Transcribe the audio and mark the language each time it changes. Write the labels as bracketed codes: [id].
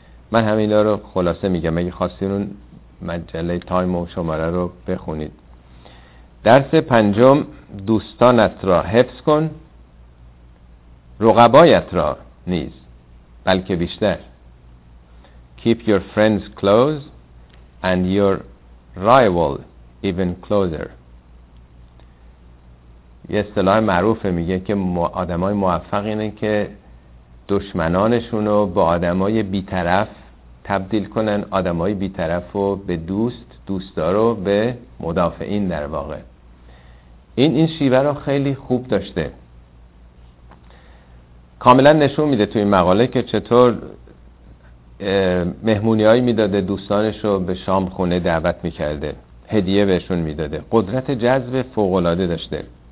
[fa] من همینا رو خلاصه میگم، اگه خواستین اون مجله تایم و شماره رو بخونید. درس پنجم، دوستانت را حفظ کن، رقبایت را نیز، بلکه بیشتر. [en] Keep your friends close and your rival even closer. [fa] یه اصطلاح معروفه، میگه که آدمای موفق اینه که دشمنانشونو با آدمای بیطرف تبدیل کنن، آدمای بیطرفو به دوست، دوستارو به مدافعین در واقع. این شیوه رو خیلی خوب داشته، کاملا نشون میده توی این مقاله که چطور مهمونی هایی میداده، دوستانشو به شام خونه دعوت میکرده، هدیه بهشون میداده، قدرت جذب فوق‌العاده داشته،